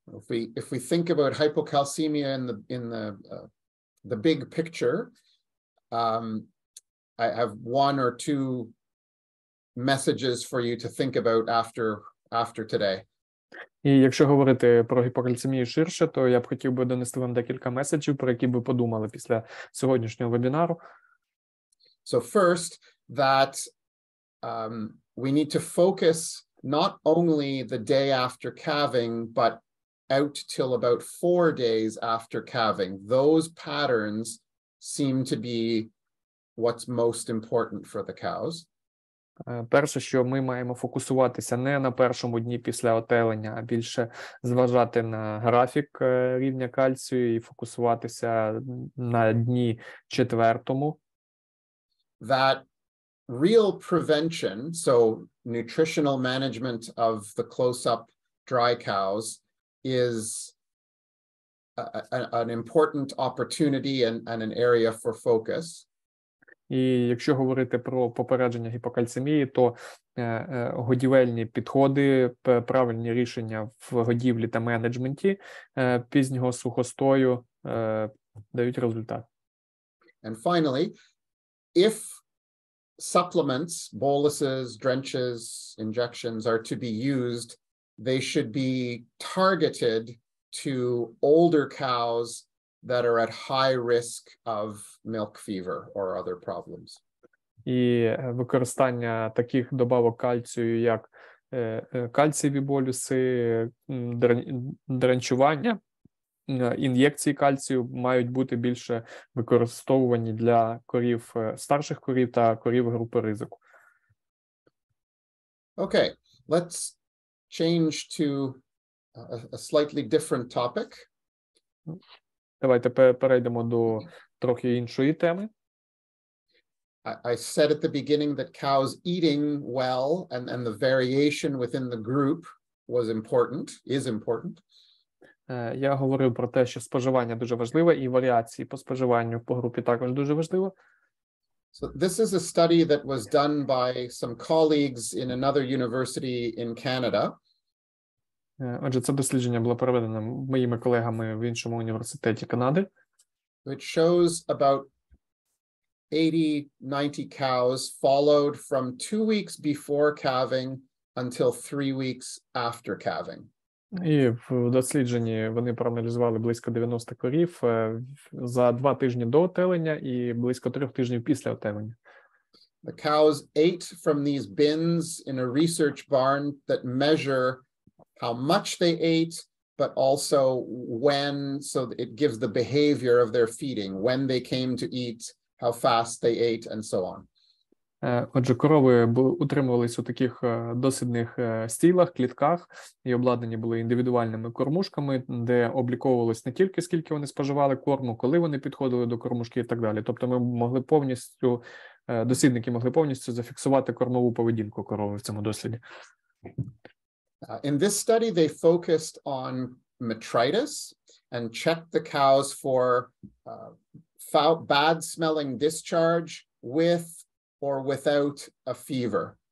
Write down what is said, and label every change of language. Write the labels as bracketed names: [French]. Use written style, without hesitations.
[English] If we think about hypocalcemia in the big picture, I have one or two messages for you to think about after today. [Ukrainian] І якщо говорити про гіпокальцемію ширше, то я б хотів би донести вам декілька меседжів, про які б ви подумали після сьогоднішнього вебінару. [English] So first, that we need to focus not only the day after calving, but out till about 4 days after calving. Those patterns seem to be what's most important for the cows. [Ukrainian] Перше, що ми маємо фокусуватися не на першому дні після отелення, а більше зважати на графік рівня кальцію і фокусуватися на дні четвертому. [English] That real prevention, so nutritional management of the close-up dry cows, is an important opportunity and an area for focus. [Ukrainian] І якщо говорити про попередження гіпокальцемії, то годівельні підходи, правильні рішення в годівлі та менеджменті пізнього сухостою дають результат. [English] And finally, if supplements, boluses, drenches, injections are to be used, they should be targeted to older cows that are at high risk of milk fever or other problems. [Ukrainian] І використання таких добавок кальцію, як кальцієві болюси, дренчування, ін'єкції кальцію мають бути більше використовувані для корів, старших корів та корів групи ризику. [English] Okay, let's change to a slightly different topic. [Ukrainian] Давайте перейдемо до трохи іншої теми. [English] I said at the beginning that cows eating well and the variation within the group was important, is important. [Ukrainian] Я говорив про те, що споживання дуже важливе і варіації по споживанню по групі також дуже важливо. [English] So this is a study that was done by some colleagues in another university in Canada. [Ukrainian] Отже, це дослідження було проведено моїми колегами в іншому університеті Канади. [English] It shows about 80-90 cows followed from 2 weeks before calving until 3 weeks after calving. [Ukrainian] І в дослідженні вони проаналізували близько 90 корів за 2 тижні до отелення і близько 3 тижнів після отелення. [English] The cows ate from these bins in a research barn that measure how much they ate, but also when, so it gives the behavior of their feeding, when they came to eat, how fast they ate, and so on. [Ukrainian] Отже, корови утримувались у таких дослідних стійлах, клітках, і обладнані були індивідуальними кормушками, де обліковувалось не тільки, скільки вони споживали корму, коли вони підходили до кормушки і так далі. Тобто ми могли повністю, дослідники могли повністю зафіксувати кормову поведінку корови в цьому досліді. [English] In this study, they focused on metritis and checked the cows for bad-smelling discharge with or without a fever.